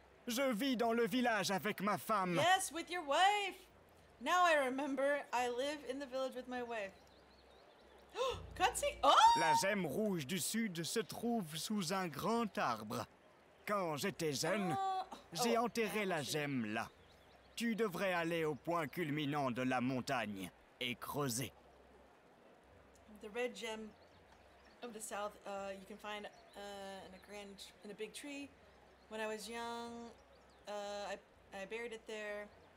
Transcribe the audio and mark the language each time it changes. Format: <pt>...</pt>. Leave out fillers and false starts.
<fr>Je vis dans le village avec ma femme.</fr> <en>Yes, with your wife. Now I remember. I live in the village with my wife. Oh!</en> <fr>La gemme rouge du sud se trouve sous un grand arbre. Quand j'étais jeune, j'ai enterré la gemme là. Tu devrais aller au point culminant de la montagne et creuser.</fr> <en>The red gem of the south, you can find in a big tree. When I was young, I buried it there.</en>